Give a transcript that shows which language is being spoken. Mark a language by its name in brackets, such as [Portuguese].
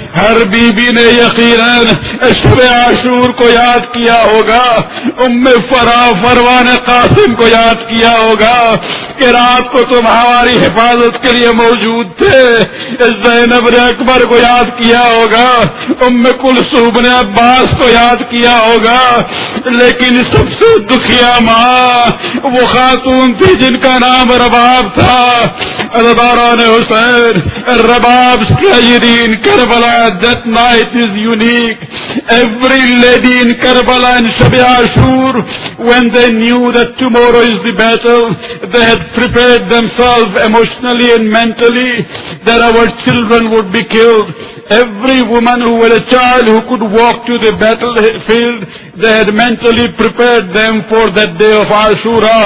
[Urdu] Hare be be نے یقیناً عشب عاشور کو یاد کیا ہوگا, ام فرا فروان قاسم کو یاد کیا ہوگا کہ رات کو تم ہماری حفاظت کے لیے موجود تھے, اس زینب نے اکبر کو یاد کیا ہوگا, ام کلثوم نے عباس کو یاد کیا ہوگا. لیکن سب سے دکھیا ماں وہ خاتون تھی جن کا نام رباب تھا. ادباران حسین, رباب سیدین Karbala [English] that night is unique. Every lady in Karbala and Shabi Ashur, when they knew that tomorrow is the battle, they had prepared themselves emotionally and mentally that our children would be killed. Every woman who had a child who could walk to the battlefield, they had mentally prepared them for that day of Ashura.